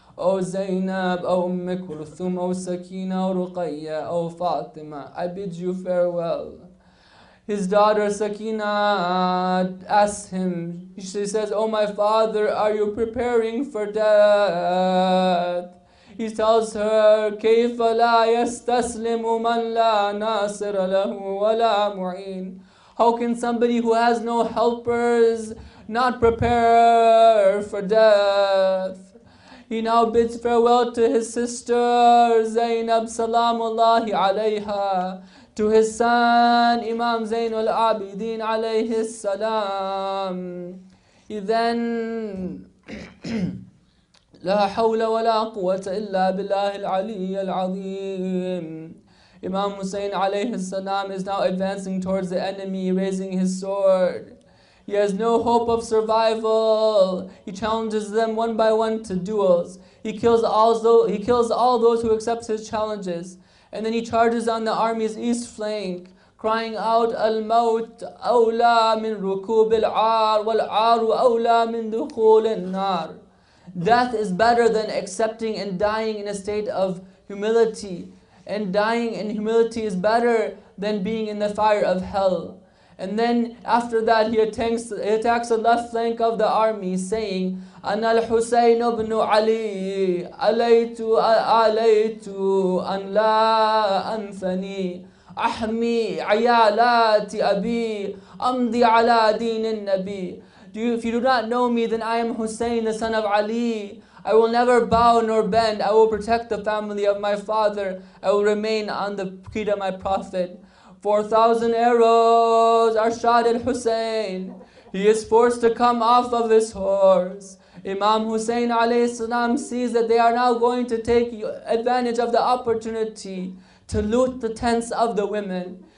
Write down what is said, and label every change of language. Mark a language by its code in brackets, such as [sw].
[en] O Zainab, O Umm Kulthum, O Sakina, O Ruqayya, O Fatima, I bid you farewell. His daughter Sakina asks him, she says, O my father, are you preparing for death? He tells her, [ar] كَيْفَ لَا يَسْتَسْلِمُ مَنْ لَا نَاصِرَ لَهُ وَلَا مُعِينَ. [en] How can somebody who has no helpers not prepare for death? He now bids farewell to his sister Zainab Salamullahi alayha, to his son Imam Zainul Abidin alayhi salam. He then [ar] لا حول ولا قوة إلا بالله العلي العظيم. [en] Imam Hussein alayhi salam is now advancing towards the enemy, raising his sword. He has no hope of survival. He challenges them one by one to duels. He kills all those who accept his challenges. And then he charges on the army's east flank, crying out, [ar] Al-Mawt awla min rukub al-aar, wal-aaru awla min dukhul al-naar. [en] Death is better than accepting and dying in a state of humility. And dying in humility is better than being in the fire of hell. And then after that, he attacks the left flank of the army, saying, [ar] أنا الحسين بن علي أليت أليت أن لا أنثني أحمي عيالات أبي أمضي على دين النبي. [en] If you do not know me, then I am Hussein, the son of Ali. I will never bow nor bend. I will protect the family of my father. I will remain on the creed of my prophet. 4,000 arrows are shot at Hussein. He is forced to come off of his horse. Imam Hussein alayhi salam sees that they are now going to take advantage of the opportunity to loot the tents of the women.